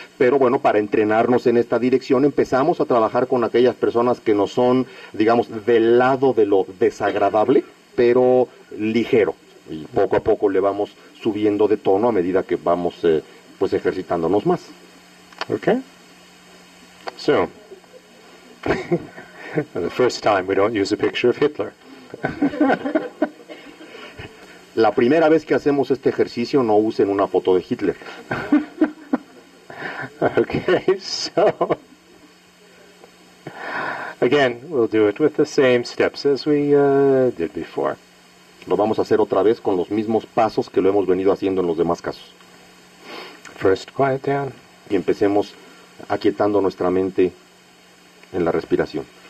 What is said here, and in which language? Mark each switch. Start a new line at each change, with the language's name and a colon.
Spanish: Pero bueno, para entrenarnos en esta dirección, empezamos a trabajar con aquellas personas que nos son, digamos, del lado de lo desagradable, pero ligero, y poco a poco le vamos subiendo de tono a medida que vamos pues ejercitándonos más.
English: Okay. So, the first time we don't use a picture of Hitler.
Spanish: La primera vez que hacemos este ejercicio no usen una foto de Hitler.
English: Okay, so again, we'll do it with the same steps as we did before.
Spanish: Lo vamos a hacer otra vez con los mismos pasos que lo hemos venido haciendo en los demás casos.
English: First, quiet down.
Spanish: Y empecemos aquietando nuestra mente en la respiración.